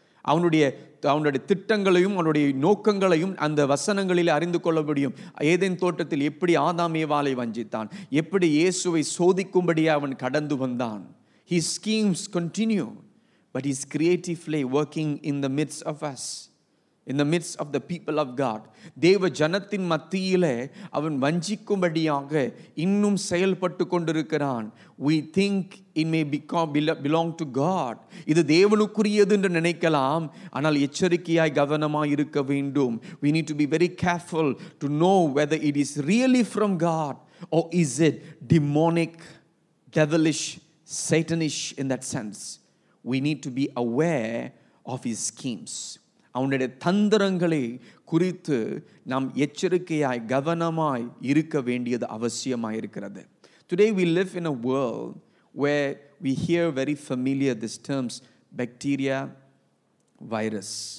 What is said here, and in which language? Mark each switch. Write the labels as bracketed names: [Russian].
[Tamil] அவனுடைய திட்டங்களையும் அவனுடைய நோக்கங்களையும் அந்த வசனங்களில் அறிந்து கொள்ள முடியும். ஏதேன் தோட்டத்தில் எப்படி ஆதாம் ஏவாளை வஞ்சித்தான், எப்படி இயேசுவை சோதிக்கும்படியே அவன் கடந்து வந்தான். [English] His schemes continue, but he's creatively working in the midst of us, in the midst of the people of God. [Tamil] தேவ ஜனத்தின் மத்தியிலே அவன் வஞ்சிக்கும்படியாக இன்னும் செயல்பட்டு கொண்டிருக்கிறான். [English] We think it may belong to God. [Tamil] இது தேவனுக்குரியது என்று நினைக்கலாம், ஆனால் எச்சரிக்கையாய் கவனமாய் இருக்க வேண்டும். [English] We need to be very careful to know whether it is really from God or is it demonic, devilish, satanish in that sense. We need to be aware of his schemes. [Tamil] அவனுடைய தந்திரங்களை குறித்து நாம் எச்சரிக்கையாய் கவனமாய் இருக்க வேண்டியது அவசியமாயிருக்கிறது. [English] Today we live in a world where we hear very familiar these terms, bacteria, virus.